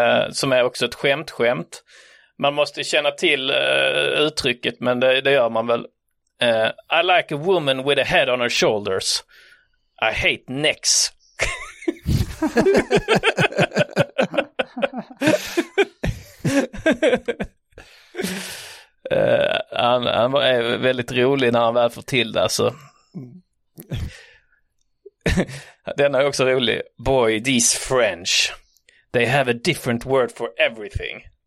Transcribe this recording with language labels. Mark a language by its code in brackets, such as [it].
[sv] Som är också ett skämt. Man måste känna till uttrycket, men det gör man väl. [en] I like a woman with a head on her shoulders. I hate necks. [sv] han är väldigt rolig när han väl får till det, alltså. Den är också rolig. [en] Boy, these French, they have a different word for everything.